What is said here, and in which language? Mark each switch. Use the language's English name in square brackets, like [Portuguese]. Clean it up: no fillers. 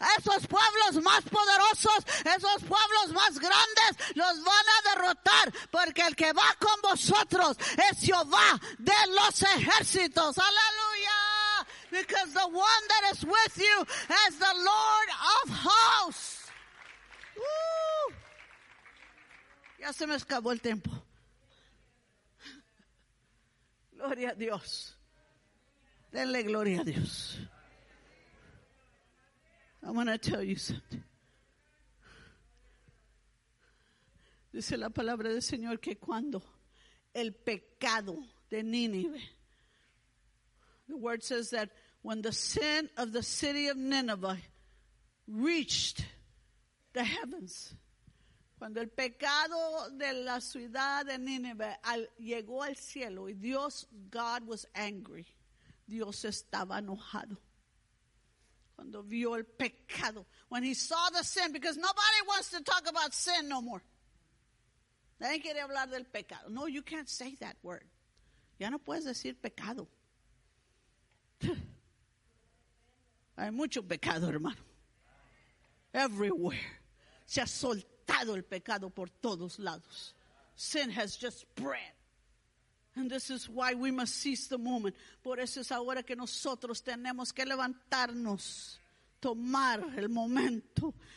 [Spanish] Esos pueblos más poderosos, esos pueblos más grandes, los van a derrotar. Porque el que va con vosotros es Jehová de los ejércitos. Aleluya. [English] Because the one that is with you is the Lord of hosts. [Spanish] Ya se me acabó el tiempo. Gloria a Dios. Denle gloria a Dios. [English] I want to tell you something. [Spanish] Dice la palabra del Señor que cuando el pecado de Nínive. [English] The word says that when the sin of the city of Nineveh reached the heavens. [Spanish] Cuando el pecado de la ciudad de Nínive llegó al cielo y Dios, [English] God was angry. [Spanish] Dios estaba enojado. Cuando vio el pecado. [English] When he saw the sin, because nobody wants to talk about sin no more. [Spanish] Nadie quiere hablar del pecado. [English] No, you can't say that word. [Spanish] Ya no puedes decir pecado. Hay mucho pecado, hermano. [English] Everywhere. [Spanish] Se ha soltado el pecado por todos lados. [English] Sin has just spread. And this is why we must seize the moment. [Spanish] Por eso es ahora que nosotros tenemos que levantarnos, tomar el momento.